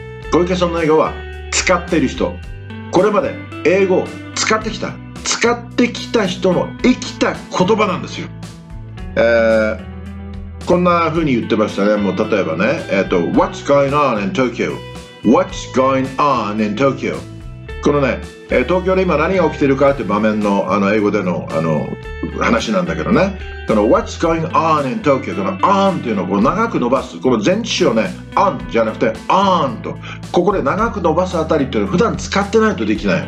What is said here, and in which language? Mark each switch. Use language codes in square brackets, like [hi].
[ja] ご家さんの英語は使っている人、これまで英語を使ってきた人の生きた言葉なんですよ。こんな風に言ってましたね。もう例えばね、 [en] What's going on in Tokyo? What's going on in Tokyo? [ja] このね、東京で今何が起きてるかっていう場面の、英語での、話なんだけどね、この [en] What's going on in Tokyo? [ja] この on っていうのをこう長く伸ばす、この前置詞をね on じゃなくて on と、ここで長く伸ばすあたりっていうのは普段使ってないとできない。